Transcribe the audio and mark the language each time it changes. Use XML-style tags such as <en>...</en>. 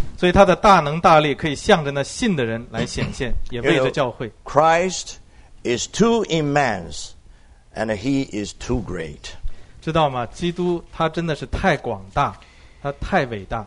<zh>所以他的大能大力可以向着那信的人来显现，也为着教会。</zh> <en>Christ is too immense, and he is too great.</en> <zh>知道吗？基督他真的是太广大，他太伟大。</zh>